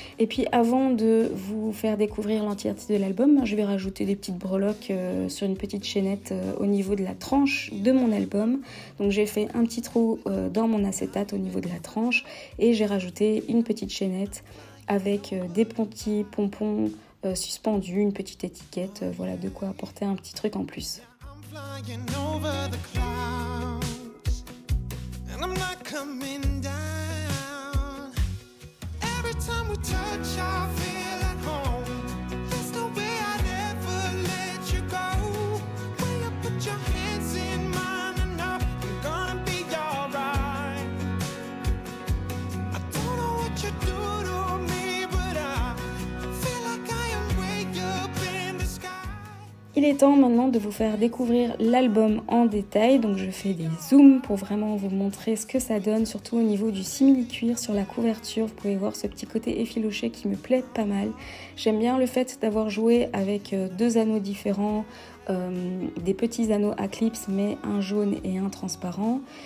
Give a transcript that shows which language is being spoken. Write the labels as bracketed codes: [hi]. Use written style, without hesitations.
[fr] Et puis avant de vous faire découvrir l'entièreté de l'album, je vais rajouter des petites breloques sur une petite chaînette au niveau de la tranche de mon album. Donc j'ai fait un petit trou dans mon acétate au niveau de la tranche et j'ai rajouté une petite chaînette avec des petits pompons suspendus, une petite étiquette, voilà de quoi apporter un petit truc en plus. [en] Flying over the clouds, and I'm not coming down. Every time we touch, I feel at home. There's no way I'd ever let you go. When you put your hands in mine, I know you're gonna be alright. I don't know what you do to me, but I feel like I am way up in the sky. [fr] Il est temps maintenant de vous faire découvrir l'album en détail, donc je fais des zooms pour vraiment vous montrer ce que ça donne, surtout au niveau du simili-cuir sur la couverture. Vous pouvez voir ce petit côté effiloché qui me plaît pas mal. J'aime bien le fait d'avoir joué avec deux anneaux différents, des petits anneaux à clips, mais un jaune et un transparent.